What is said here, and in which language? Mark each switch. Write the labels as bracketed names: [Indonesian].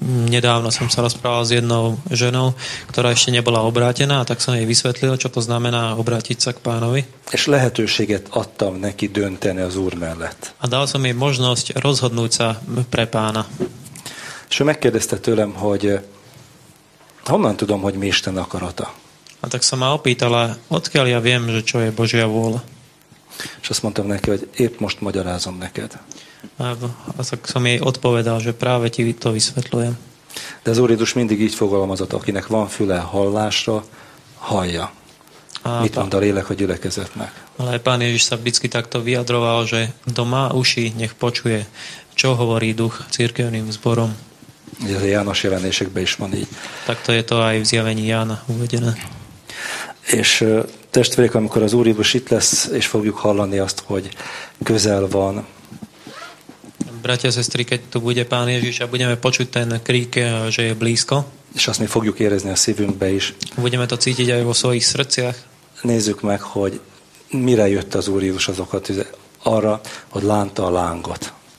[Slovak] Nedávno som sa rozprával s jednou ženou, ktorá ešte nebola obrátená, tak som jej vysvetlil, čo to znamená obrátiť sa k Pánovi. [Hungarian] És lehetőséget adtam neki dönteni az Úr mellett. [Slovak] A dal som jej možnosť rozhodnúť sa pre Pána. [Hungarian] És ő megkérdezte tőlem, hogy honnan tudom, hogy mi Isten akarata. [Slovak] A tak sa ma opýtala, odkiaľ ja viem, že čo je Božia vôľa. [Hungarian] És azt mondtam neki, hogy épp most magyarázom neked. [Slovak] Azok som jej odpovedal, že práve ti to vysvetľujem. [Hungarian] De az Úr Jézus mindig így fogalmazott, akinek van füle hallásra, hallja. Mit mond a lélek a gyülekezetnek? [Slovak] Ale Pán Ježiš sa vždycky takto vyjadroval, že kto má uši, nech počuje, čo hovorí duch cirkevným zborom. [Hungarian] Ugye a János jelenésekben is van így. [Slovak] Takto je to aj v zjavení Jána uvedené. [Hungarian] És testvérek, amikor az Úr Jézus itt lesz, és fogjuk hallani azt, hogy közel van. [Slovak] Bratia, sestri, keď tu bude Pán Ježiš a budeme počuť ten krík, že je blízko. [Hungarian] És azt mi fogjuk érezni a szívünkbe is. [Slovak] Budeme to cítiť aj vo svojich srdciach. [Hungarian] Nézzük meg, hogy mire jött az Úr Jézus azokat, arra, hogy lánta a lángot.